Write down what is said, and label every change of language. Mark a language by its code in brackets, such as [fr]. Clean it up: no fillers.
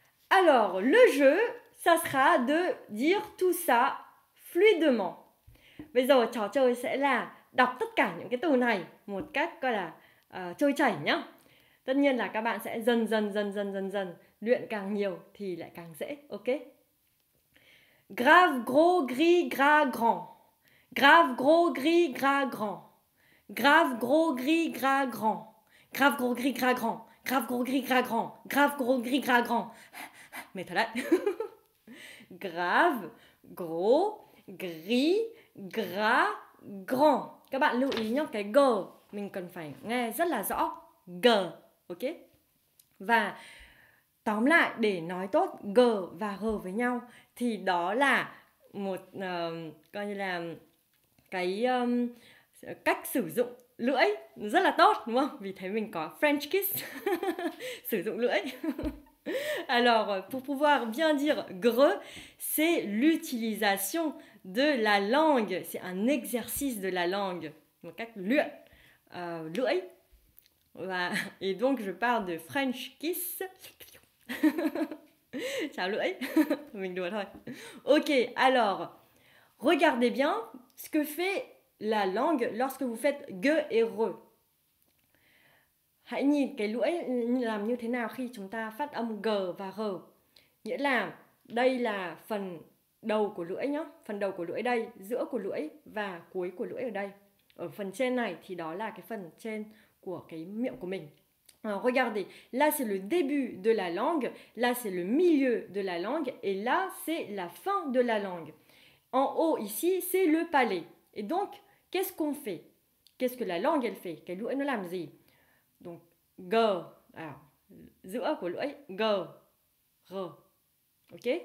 [fr] Alors, le jeu, ça sera de dire tout ça fluidement. [vi] Bây giờ trò chơi sẽ là đọc tất cả những cái từ này một cách gọi là trôi chảy nhá. Tất nhiên là các bạn sẽ dần dần dần dần dần dần luyện càng nhiều thì lại càng dễ, ok? [fr] Grave, gros, gris, gras, grand. Grave, gros, gris, gras, grand. Grave, gros, gris, gras, grand. Grave, gros, gris, gras, grand. Grave, gros, gris, gras, grand. Grave, gros, gris, gras, grand. Mais t'as là. Grave, gros, gris, gras, grand. [vi] Các bạn lưu ý nhé, cái G mình cần phải nghe rất là rõ. G, ok? Và tóm lại để nói tốt G và H với nhau thì đó là một coi như là cái cách sử dụng lưỡi rất là tốt, đúng không? Vì thế mình có [en] French kiss [vi] sử dụng lưỡi. [fr] Alors, pour pouvoir bien dire gre, c'est l'utilisation de la langue, c'est un exercice de la langue, donc lu, lưỡi. Voilà. Et donc, je parle de French kiss. [vi] Ciao lưỡi, mình đùa thôi. [fr] Ok, alors, regardez bien ce que fait la langue lorsque vous faites gue et re. [vi] Hãy nhìn cái lưỡi làm như thế nào khi chúng ta phát âm G và R. Nghĩa là đây là phần đầu của lưỡi nhá. Phần đầu của lưỡi đây, giữa của lưỡi và cuối của lưỡi ở đây. Ở phần trên này thì đó là cái phần trên của cái miệng của mình. [fr] Alors, regardez, là c'est le début de la langue, là c'est le milieu de la langue et là c'est la fin de la langue. En haut ici, c'est le palais. Et donc, qu'est-ce qu'on fait? Qu'est-ce que la langue elle fait? [vi] Cái lưỡi nó làm gì? [fr] Donc, G, alors, [vi] giữa của lưỡi, [fr] G, R, ok?